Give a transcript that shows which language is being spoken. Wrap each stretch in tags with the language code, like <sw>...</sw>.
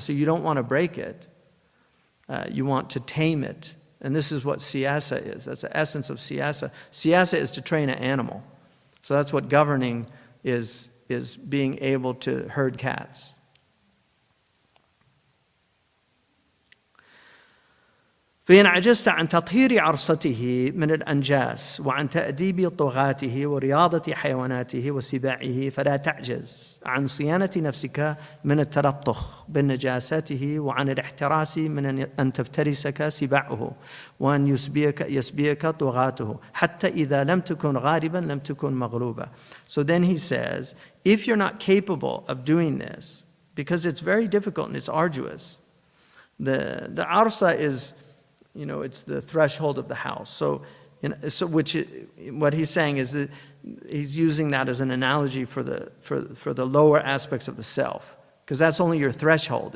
<en>So you don't want to break it. You want to tame it. And this is what siyasa is. That's the essence of siyasa. Siyasa is to train an animal. So that's what governing is being able to herd cats.</en> <ar>فإن عجزت عن تطهير عرصته من الأنجاس وعن تأديب طغاته ورياضة حيواناته وسباعه فلا تعجز عن صيانة نفسك من التلطخ بنجاساته وعن الاحتراس من أن تفترسك سباعه وأن يسبيك طغاته حتى إذا لم تكن غاربا لم تكن مغلوبا.</ar> <en>So then he says, if you're not capable of doing this, because it's very difficult and it's arduous, the arsa is, you know, it's the threshold of the house. So, you know, what he's saying is that he's using that as an analogy for the lower aspects of the self, because that's only your threshold.</en>